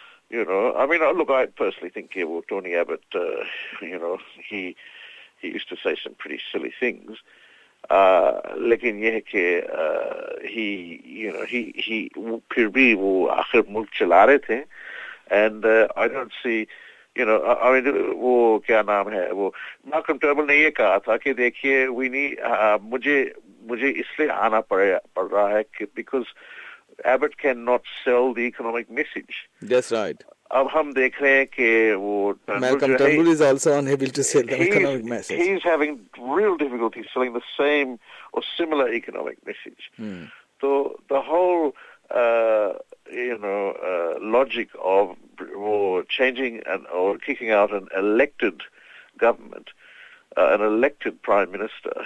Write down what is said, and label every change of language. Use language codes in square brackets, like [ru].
[en] You know, I mean, look, I personally think yeah, well, Tony Abbott, you know, he used to say some pretty silly things. [hi] लेकिन ये है कि [en] he you know he [hi] फिर भी वो आखिर मुल्क चला रहे थे, [en] and I don't see. You know, I mean, [hi] वो क्या नाम है वो Malcolm Turnbull ने ये कहा था कि देखिए [en] we need [hi] मुझे इसलिए आना पड़ रहा है कि [en] because Abbott cannot sell the economic message. That's right. [hi] अब हम देख रहे हैं कि वो [en] Malcolm Turnbull is also unable to sell the economic message. He's having real difficulty selling the same or similar economic message. So the whole you know logic of or changing and or kicking out an elected government, an elected prime minister.